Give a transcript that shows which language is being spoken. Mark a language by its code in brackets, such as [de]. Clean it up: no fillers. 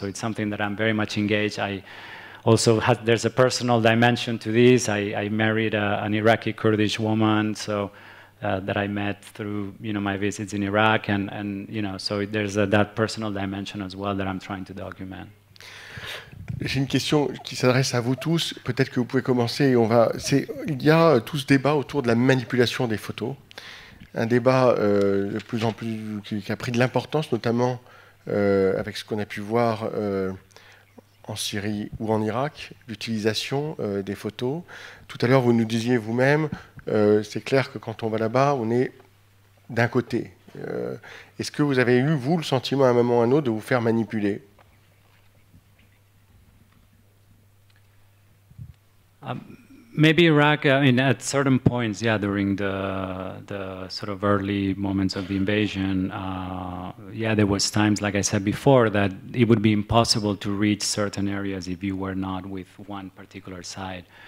[en] So it's something that I'm very much engaged. I also had, there's a personal dimension to this. I married an Iraqi Kurdish woman, so that I met through, you know, my visits in Iraq, and you know, so there's that personal dimension as well that I'm trying to document. [fr] J'ai une question qui s'adresse à vous tous. Peut-être que vous pouvez commencer. Et on va. C'est, il y a tout ce débat autour de la manipulation des photos, un débat de plus en plus qui a pris de l'importance, notamment avec ce qu'on a pu voir en Syrie ou en Irak, l'utilisation des photos. Tout à l'heure, vous nous disiez vous-même. C'est clair que quand on va là-bas, on est d'un côté. Est-ce que vous avez eu, vous, le sentiment à un moment ou à un autre de vous faire manipuler? [en] Maybe Iraq, I mean, at certain points, yeah, during the sort of early moments of the invasion, yeah, there was times, like I said before, that it would be impossible to reach certain areas if you were not with one particular side.